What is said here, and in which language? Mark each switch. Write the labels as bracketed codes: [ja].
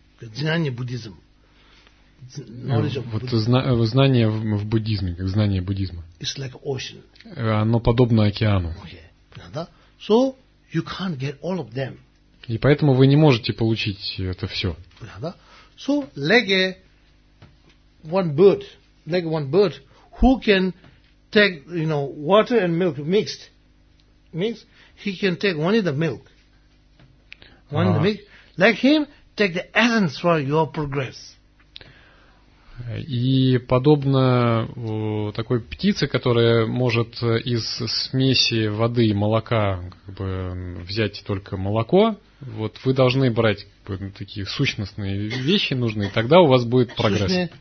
[ru] Знание буддизм. Знание в буддизме, как знание буддизма. [en] It's like ocean. [ru] Оно подобно океану. [en] Okay. So you can't get all of them. [ru] И поэтому вы не можете получить это все. [en] So like one bird, who can take, you know, water and milk mixed. Means he can take only the milk. One the milk. Like him, take the essence for your progress. [ru] И подобно такой птице, которая может из смеси воды и молока как бы, взять только молоко, вот вы должны брать как бы, такие сущностные вещи нужные, тогда у вас будет прогресс.